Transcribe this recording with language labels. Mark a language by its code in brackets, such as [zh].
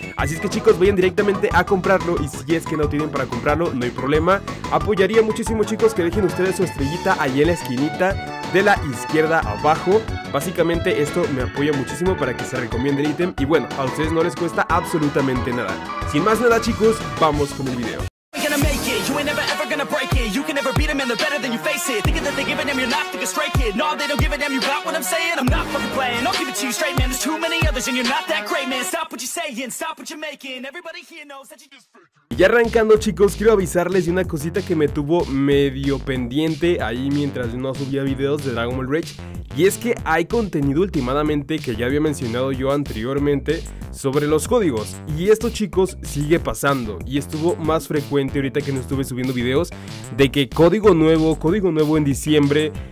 [es] Así es que, chicos, vayan directamente a comprarlo. Y si es que no tienen para comprarlo, no hay problema. Apoyaría muchísimo, chicos, que dejen ustedes su estrellita ahí en la esquinita de la izquierda abajo. Básicamente esto me apoya muchísimo para que se recomiende el ítem. Y bueno, a ustedes no les cuesta absolutamente nada. Sin más nada, chicos, vamos con el video. [en] You ain't never ever gonna break it. You can never beat them and they're better than you face it. Thinking that they give a damn, you're not thinking straight, kid. No, they don't give a damn, you got what I'm saying? I'm not fucking playing, I'll give it to you straight, man. There's too many others and you're not that great, man. Stop what you're saying, stop what you're making. Everybody here knows that you just freak. [es] Y arrancando, chicos, quiero avisarles de una cosita que me tuvo medio pendiente ahí mientras no subía videos de Dragon Ball Rage. Y es que hay contenido últimamente que ya había mencionado yo anteriormente sobre los códigos. Y esto, chicos, sigue pasando. Y estuvo más frecuente ahorita que no estuve subiendo videos de que código nuevo en diciembre.